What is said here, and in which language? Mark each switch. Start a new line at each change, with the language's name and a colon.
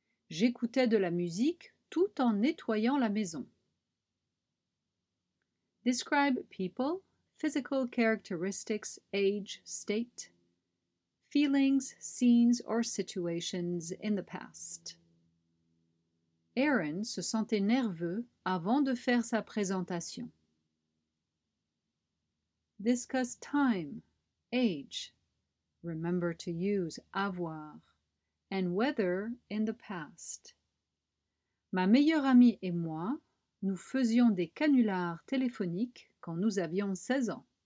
French: J'écoutais de la musique tout en nettoyant la maison.
English: Describe people, physical characteristics, age, state, feelings, scenes, or situations in the past.
French: Aaron se sentait nerveux avant de faire sa présentation.
English: Discuss time, age, remember to use avoir, and weather in the past.
French: Ma meilleure amie et moi, nous faisions des canulars téléphoniques quand nous avions 16 ans.